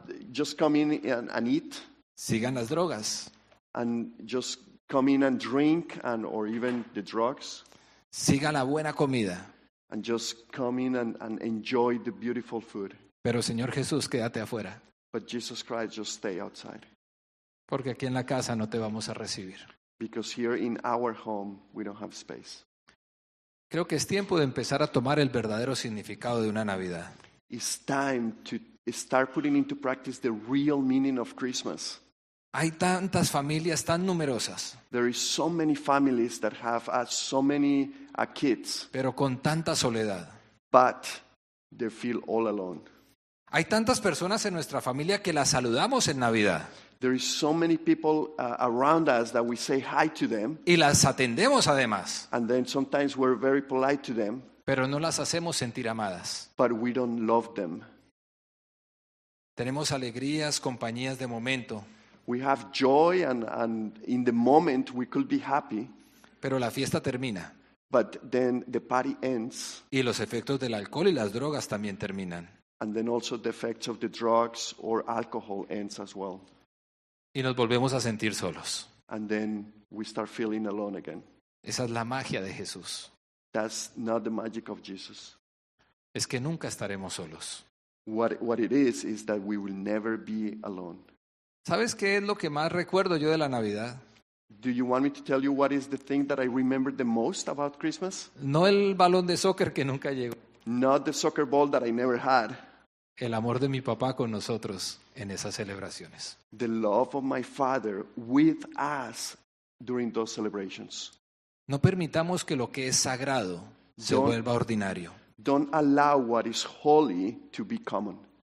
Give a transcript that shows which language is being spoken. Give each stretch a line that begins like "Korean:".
English: Just come in and eat.
Spanish: Sigan las drogas.
English: And just come in and drink and or even the drugs.
Spanish: Siga la buena comida.
English: And just come in and enjoy the beautiful food.
Spanish: Pero Señor Jesús, quédate afuera.
English: But Jesus Christ, just stay outside.
Spanish: Porque aquí en la casa no te vamos a recibir.
English: Because here in our home, we don't have space.
Spanish: Creo que es tiempo de empezar a tomar el verdadero significado de una Navidad.
English: It's time to start putting into practice the real meaning of Christmas.
Spanish: Hay tantas familias tan numerosas.
English: There is so many families that have so many kids.
Spanish: Pero con tanta soledad.
English: But they feel all alone.
Spanish: Hay tantas personas en nuestra familia que las saludamos en Navidad.
English: There is so many people around us that we say hi to them.
Spanish: Y las atendemos además.
English: And then sometimes we're very polite to them.
Spanish: Pero no las hacemos sentir amadas.
English: But we don't love them.
Spanish: Tenemos alegrías, compañías de momento.
English: We have joy and in the moment we could be happy.
Spanish: Pero la fiesta termina.
English: But then the party ends.
Spanish: Y los efectos del alcohol y las drogas también terminan.
English: And then also the effects of the drugs or alcohol ends as well.
Spanish: Y nos volvemos a sentir solos.
English: And then we start feeling alone again.
Spanish: Esa es la magia de Jesús.
English: That's not the magic of Jesus.
Spanish: Es que nunca estaremos solos.
English: What it is that we will never be alone.
Spanish: ¿Sabes qué es lo que más recuerdo yo de la Navidad?
English: Do you want me to tell you what is the thing that I remember the most about Christmas?
Spanish: No el balón de soccer que nunca llegó.
English: Not the soccer ball that I never had.
Spanish: El amor de mi papá con nosotros en esas celebraciones.
English: The love of my father with us during those celebrations.
Spanish: No permitamos que lo que es sagrado se vuelva ordinario.
English: Don't allow what is holy to be common.